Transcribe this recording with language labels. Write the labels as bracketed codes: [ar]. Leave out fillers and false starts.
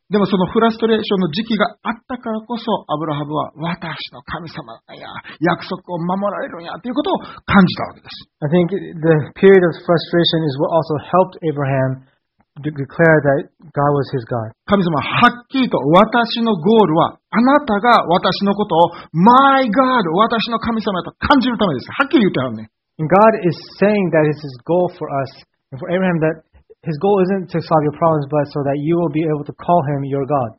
[ja] でもそのフラストレーションの時期があったからこそ、アブラハムは私の神様や約束を守られるんやということを感じたわけです。 [en] I think the period of frustration is what also helped Abraham declare that God was his God. [ja] 神様はっきりと私のゴールはあなたが私のことを [en] My God [ja] 私の神様と感じるためです。はっきり言ってはるね。 [en] And God is saying that it's his goal for us and for Abraham that his goal isn't to solve your problems but so that you will be able to call him your God.